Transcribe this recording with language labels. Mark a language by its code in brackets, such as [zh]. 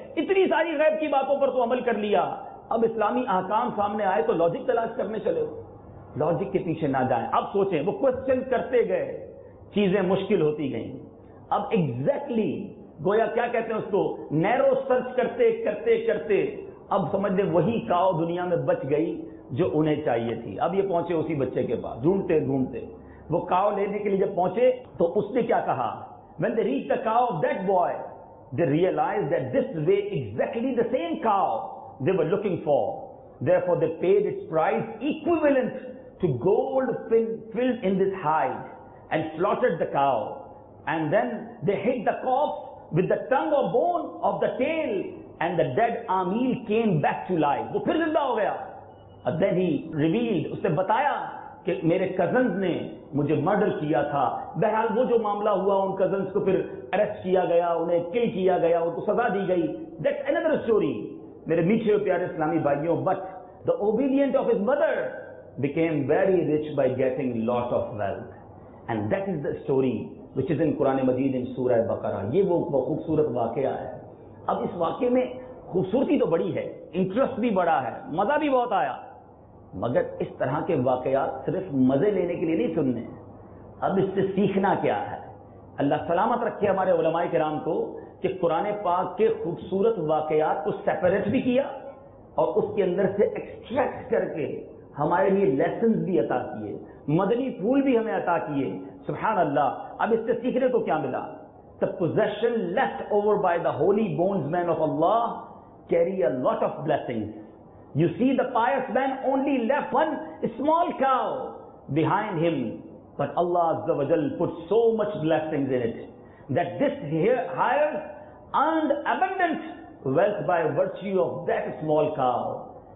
[ur] اتنی ساری غیب کی باتوں پر تو عمل کر لیا, اب اسلامی احکام سامنے آئے تو لاجک تلاش کرنے چلے ہو. لاجک کے پیچھے نہ جائیں. اب سوچیں وہ کوشچن کرتے گئے چیزیں مشکل ہوتی گئیں. اب اگزیکٹلی گویا کیا کہتے ہیں اس کو, نیرو سرچ کرتے کرتے کرتے اب سمجھ لیں وہی کاؤ دنیا میں بچ گئی جو انہیں چاہیے تھی. اب یہ پہنچے اسی بچے کے پاس, ڈھونڈتے ڈھونڈتے وہ کاؤ لینے کے لیے جب پہنچے تو اس نے کیا کہا, [en] when they reached the cow of that boy they realized that this way exactly the same cow they were looking for, therefore they paid its price equivalent to gold filled in this hide and slaughtered the cow and then they hit the corpse with the tongue or bone of the tail and the dead Amil came back to life. [ur] وہ پھر زندہ ہو گیا. [en] Then he revealed, [ur] اس نے بتایا کہ میرے cousins نے مجھے مرڈر کیا تھا. بہرحال وہ جو معاملہ ہوا ان کزنز کو پھر اریسٹ کیا گیا, انہیں کل کیا گیا, ان کو سزا دی گئی. [en] That's another story. [ur] میرے میٹھے اور پیارے اسلامی بھائیوں, [en] but the obedient of his mother became very rich by getting lot of wealth. And that is the story which is in Quran Majeed in Surah Baqarah. [ur] یہ وہ خوبصورت واقعہ ہے. اب اس واقعے میں خوبصورتی تو بڑی ہے, انٹرسٹ بھی بڑا ہے, مزہ بھی بہت آیا, مگر اس طرح کے واقعات صرف مزے لینے کے لیے نہیں سننے. اب اس سے سیکھنا کیا ہے؟ اللہ سلامت رکھے ہمارے علماء کرام کو کہ قرآن پاک کے خوبصورت واقعات کو سیپریٹ بھی کیا اور اس کے اندر سے ایکسٹریکٹ کر کے ہمارے لیے لیسنز بھی عطا کیے، مدنی پھول بھی ہمیں عطا کیے، سبحان اللہ. اب اس سے سیکھنے کو کیا ملا؟ [en] The possession left over by the holy bondsman of Allah carry a lot of blessings. You see, the pious man only left one small cow behind him, but Allah Azza wa Jal put so much blessings in it that this hire earned abundant wealth by virtue of that small cow.